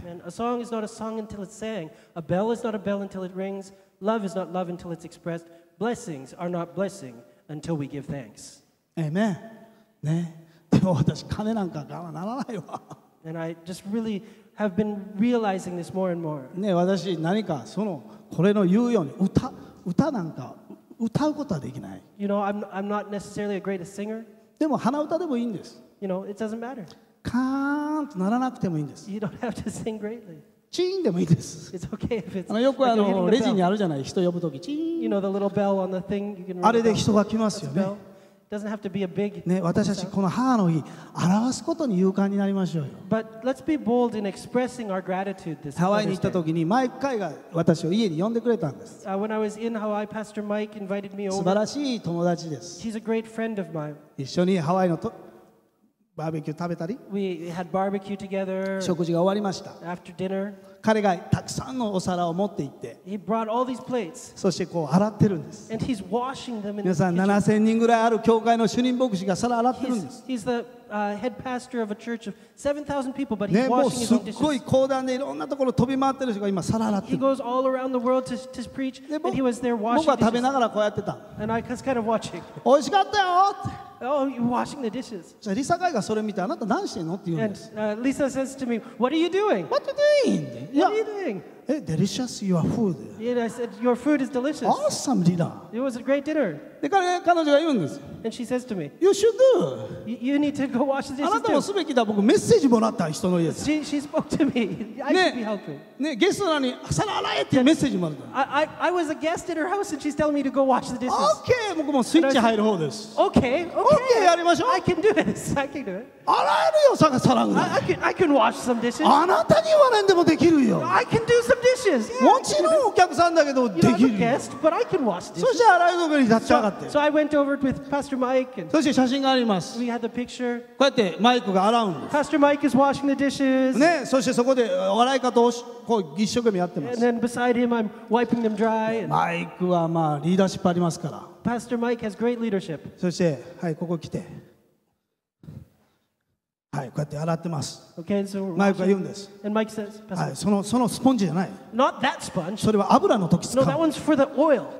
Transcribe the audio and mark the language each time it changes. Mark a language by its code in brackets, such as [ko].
[en] And a song is not a song until it's sang. A bell is not a bell until it rings. Love is not love until it's expressed. Blessings are not blessing until we give thanks. Amen. ね。 [ja] でも私鐘なんか我慢ならないわ。 [en] And I just really have been realizing this more and more. [ja] ね、私何かそのこれの言うように歌なんか歌うことはできない。 [en] You know, I'm not necessarily a great singer. [ja] でも鼻歌でもいいんです。 [en] You know, it doesn't matter. [ja] カーンとならなくてもいいんです。 [en] You don't have to sing greatly. [ja] チーンでもいいです。 [en] It's okay if it's. [ja] あのよくあのレジにあるじゃない、人呼ぶときチーン。 [en] You know, the little bell on the thing. You can [ja] あれで人が来ますよね。 [en] Doesn't have to be a big [ja] ね、私たちこの母の日表すことに勇敢になりましょうよ。 [en] But let's be bold in expressing our gratitude this [ja] Hawaii に行った時に、マイク・カイが私を家に呼んでくれたんです。 [en] When I was in Hawaii, Pastor Mike invited me over. [ja] 素晴らしい友達です。 [en] He's a great friend of mine. [ja] 一緒にハワイのバーベキュー食べたり。 [en] We had barbecue together. [ja] 食事が終わりました。 [en] After dinner. [ja] 彼がたくさんのお皿を持って行って、 [en] He brought all these plates. [ja] そしてこう洗ってるんです。 [en] And he's washing them in the kitchen. [ja] 皆さん7000人ぐらいある教会の主任牧師が皿洗ってるんです。 [en] He's the head pastor of a church of 7,000 people, but he's washing his [ja] もうすっごい広大でいろんなところ飛び回ってる人が今皿洗ってる。 [en] He goes all around the world to preach, and he was there washing. [ja] 僕は食べながらこうやってた。 [en] And I was kind of watching. [ja] 美味しかったよ。 [en] Oh, you're washing the dishes. [ja] じゃあリサガイがそれ見てあなた何してんのって言うんです。 [en] And Lisa says to me, "What are you doing?" What are you doing? What are you doing? Delicious, your food. And I said, your food is delicious. Awesome dinner. It was a great dinner. [ja] で、彼、彼女が言うんです。 [en] And she says to me, you should do. You need to go wash the dishes too. [ja] あなたもすべきだ。僕、メッセージもらった人の家です。 [en] She spoke to me. I should be helping. [ja] ね、ゲストなのに、皿洗えっていうメッセージもらった。 [en] I was a guest at her house and she's telling me to go wash the dishes. [ja] Okay, 僕もスイッチ入る方です。 [en] Okay, okay. [ja] Okay, やりましょう。 [en] I can do this. I can do it. [ja] 洗えるよ、皿ぐらい。 [en] I can wash some dishes. [ja] あなたに言われんでもできるよ。 [en] I can do some dishes. Yeah, [ja] もちろんお客さんだけど、できる。 [en] I'm a guest, but I can wash dishes. [ja] そして洗い上げに立ち上がって。 [en] So I went over with Pastor Mike. And [ja] そして写真があります。 [en] We had the picture. [ja] こうやってマイクが洗うんです。 [en] Pastor Mike is washing the dishes. [ja] ね、そしてそこで洗い方をこう一生懸命やってます。 [en] And then beside him, I'm wiping them dry. And [ja] マイクはまあリーダーシップありますから。 [en] Pastor Mike has great leadership. [ja] そして、はい、ここ来て。はい、こうやって洗ってます。 [en] Okay, so、 [ja] マイクが言うんです。 [en] And Mike says, [ja] はい、そのスポンジじゃない。 [en] Not that sponge. [ja] それは油の時使う。 [en] No, that one's for the oil.